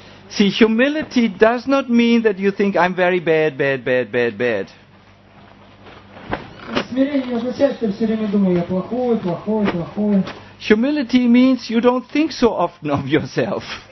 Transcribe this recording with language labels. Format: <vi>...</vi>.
<en>See, humility does not mean that you think I'm very bad, bad, bad, bad, bad.</en> <ru>Смирение означает, что я все время думаю, я плохой, плохой, плохой.</ru> <en>Humility means you don't think so often of yourself.</en>